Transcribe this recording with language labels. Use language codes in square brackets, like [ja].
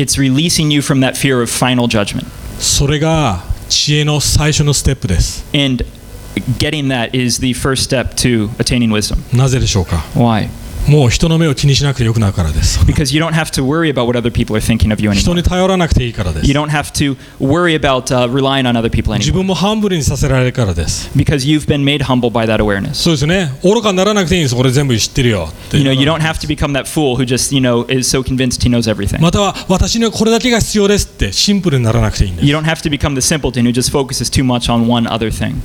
[en] It's releasing you from that fear of final judgment. [ja] それが知恵の最初のステップです。 [en] And getting that is the first step to attaining wisdom. [ja] なぜでしょうか? [en] Why? [ja] もう人の目を気にしなくてよくなるからです。 [en] Because you don't have to worry about what other people are thinking of you anymore. [ja] 人に頼らなくていいからです。 [en] You don't have to worry about relying on other people anymore. [ja] 自分もハンブルにさせられるからです。 [en] Because you've been made humble by that awareness. [ja] そうですね。愚かにならなくていいんです。これ全部知ってるよ。 [en] You know, you don't have to become that fool who just, you know, is so convinced he knows everything. [ja] または私にはこれだけが必要ですってシンプルにならなくていいんです。 [en] You don't have to become the simpleton who just focuses too much on one other thing.